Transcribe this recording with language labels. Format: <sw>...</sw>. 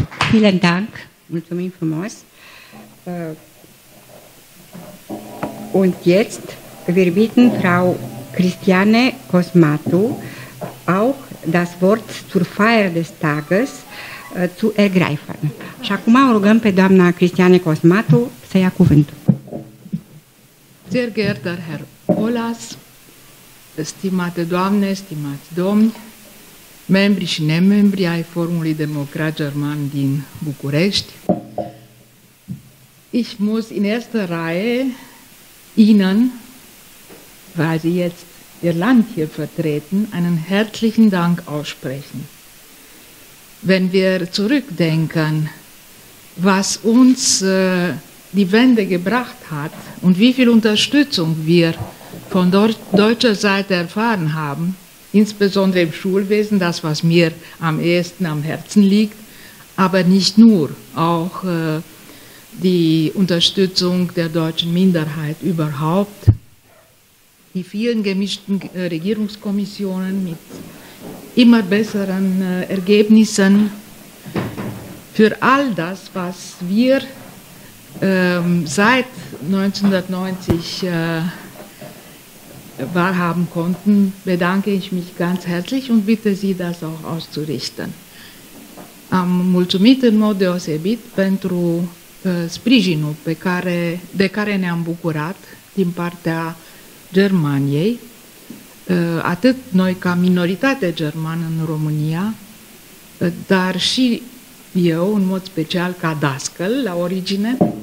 <de>Vielen Dank,</de> <ro>multum infamos.</ro> <de>Und jetzt, wir bitten Frau Christiane Cosmatu, auch das Wort zur Feier des Tages zu ergreifen.</de> <ro>Și acum o rugăm pe doamna Christiane Cosmatu să ia cuvântul.</ro> <de>Sehr geehrter Herr Olas,</de> <ro>stimate doamne, stimați domni, membri și nemembri ai Forumului Democrat German din București.</ro> <de>Ich muss in erster Reihe Ihnen, weil Sie jetzt Ihr Land hier vertreten, einen herzlichen Dank aussprechen. Wenn wir zurückdenken, was uns die Wende gebracht hat und wie viel Unterstützung wir von deutscher Seite erfahren haben, insbesondere im Schulwesen, das, was mir am ehesten am Herzen liegt, aber nicht nur, auch die Unterstützung der deutschen Minderheit überhaupt, die vielen gemischten Regierungskommissionen mit immer besseren Ergebnissen, für all das, was wir seit 1990 wahrhaben konnten, bedanke ich mich ganz herzlich und bitte Sie, das auch auszurichten.</de> <ro>Am mulțumit în mod deosebit pentru sprijinul de care ne-am bucurat din partea Germaniei, atât noi ca minoritate germană în România, dar și eu, în mod special ca dascăl la origine.</ro>